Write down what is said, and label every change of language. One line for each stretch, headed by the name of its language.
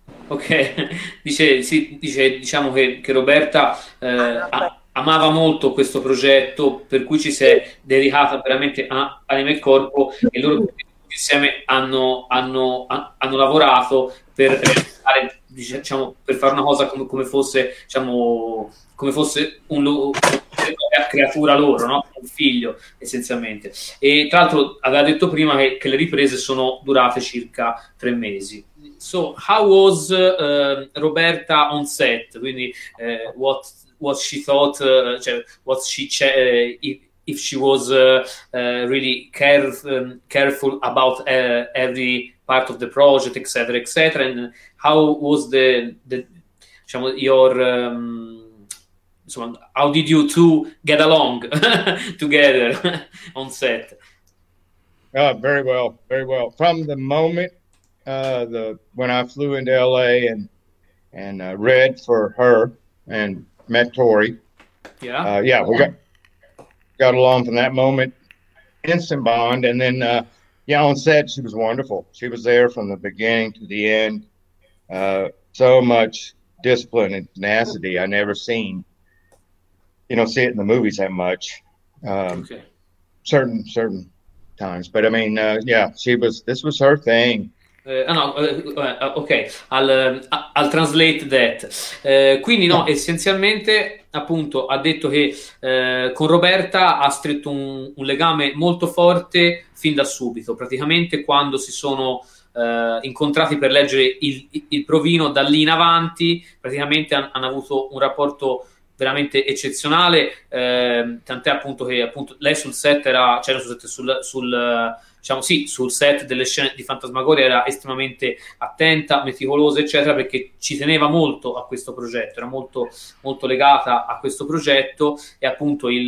Italian: Ok, dice, sì, dice, diciamo che Roberta amava molto questo progetto, per cui ci si è dedicata veramente a anima e corpo, e loro insieme hanno lavorato per realizzare, diciamo, per fare una cosa come fosse, diciamo, come fosse una creatura loro, no? Un figlio essenzialmente. E tra l'altro aveva detto prima che le riprese sono durate circa 3 mesi.
English: So how was Roberta on set?
Italian: Quindi
English: what she thought, what she if she was really careful about every part of the project, etc., etc. And how was the
Italian: diciamo,
English: your
Italian: insomma,
English: how did you two get along together on set? Very well, very well. From the moment when I flew into LA and read for her and met Tori. Yeah, we got along from that moment, instant bond. And then, on set, she was wonderful. She was there from the beginning to the end. So much discipline and tenacity. I never seen, you know, see it in the movies that much. Okay. Certain times, but I mean, this was her thing. I'll translate that.
Italian: Quindi no, essenzialmente appunto ha detto che con Roberta ha stretto un legame molto forte fin da subito, praticamente quando si sono incontrati per leggere il provino, da lì in avanti praticamente hanno avuto un rapporto veramente eccezionale, tant'è appunto che appunto lei sul set era, c'era cioè, sul diciamo, sì, sul set delle scene di Fantasmagoria era estremamente attenta, meticolosa, eccetera, perché ci teneva molto a questo progetto, era molto, molto legata a questo progetto, e appunto